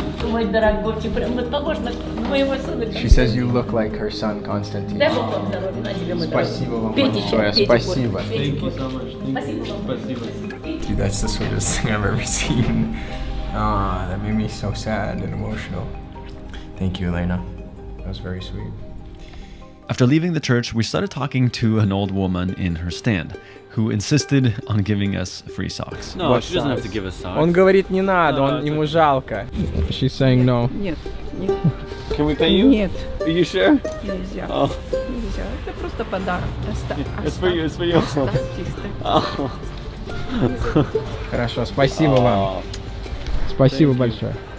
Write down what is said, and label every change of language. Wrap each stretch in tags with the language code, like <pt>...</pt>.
<ru>Мой дорогой, ты прям вот похож на моего сына.</ru> <en>She says you look like her son, Constantine.</en> <ru>Дай Бог вам здоровья, на тебе, мой дорогой. Спасибо вам большое. Спасибо.</ru> <en>Thank you so much.</en> <ru>Спасибо вам.</ru> <en>Dude, that's the sweetest thing I've ever seen. Ah, that made me so sad and emotional. Thank you, Elena. That was very sweet. After leaving the church, we started talking to an old woman in her stand, who insisted on giving us free socks. No, what she socks? Doesn't have to give us socks.</en> <ru>Он говорит не надо, он ему жалко.</ru> <en>She's saying no.</en> <ru>Нет, нет.</ru> <en>Can we pay you?</en> <ru>Нет.</ru> <en>Are you sure?</en> <ru>Нельзя. Oh. Нельзя. Это просто подарок.</ru> <en>It's for you. It's for you.</en> <ru>Хорошо, спасибо вам. Спасибо большое.</ru>